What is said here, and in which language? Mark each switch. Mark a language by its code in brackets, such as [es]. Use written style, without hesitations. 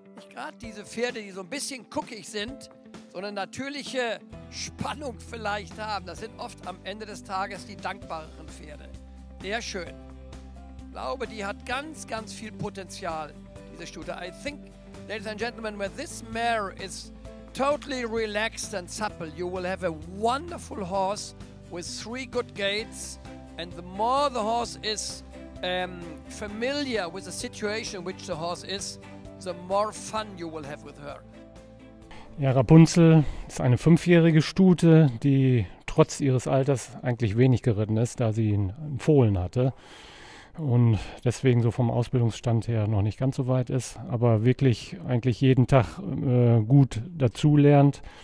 [de] Gerade diese Pferde, die so ein bisschen kuckig sind, so eine natürliche Spannung vielleicht haben, das sind oft am Ende des Tages die dankbareren Pferde. Sehr schön. Ich glaube, die hat ganz, ganz viel Potenzial, diese Stute. [en] I think, ladies and gentlemen, when this mare is totally relaxed and supple, you will have a wonderful horse with three good gaits. And the more the horse is familiar with the situation in which the horse is, the more fun you will have with her. [de] Ja, Rapunzel ist eine 5-jährige Stute, die trotz ihres Alters eigentlich wenig geritten ist, da sie einen Fohlen hatte und deswegen so vom Ausbildungsstand her noch nicht ganz so weit ist, aber wirklich eigentlich jeden Tag gut dazulernt.